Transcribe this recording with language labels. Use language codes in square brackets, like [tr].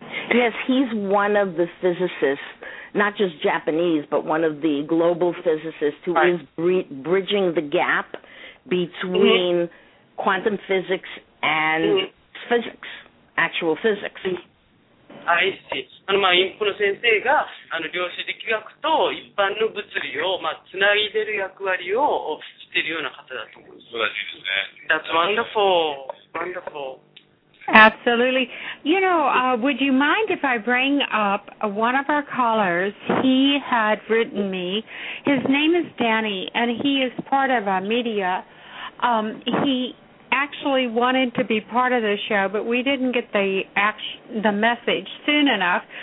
[en] Yes, he's one of the physicists, not just Japanese, but one of the global physicists who is bridging the gap between quantum physics and physics, actual physics. I see. [ja] インプの先生が量子力学と一般の物理をつな、いでる役割をしているような方だと思います。素晴らしいですね。 [en] That's wonderful. Wonderful. Absolutely. You know, would you mind if I bring up one of our callers? He had written me. His name is Danny, and he is part of our media. He actually wanted to be part of the show, but we didn't get the message soon enough.